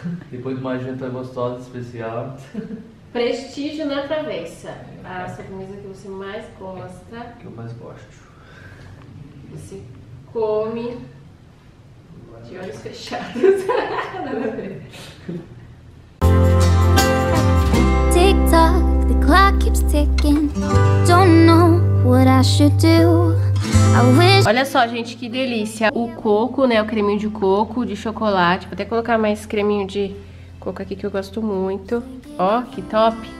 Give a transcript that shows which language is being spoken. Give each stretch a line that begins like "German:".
Portuguese: Depois de uma janta gostosa, especial. Prestígio na travessa. A sobremesa que você mais gosta. Que eu mais gosto. Você come de olhos fechados.
English: Tic tac, the clock keeps ticking. Don't know what I should do.
Portuguese: Olha só, gente, que delícia. O coco, né, o creminho de coco, de chocolate. Vou até colocar mais creminho de coco aqui, que eu gosto muito. Ó, que top.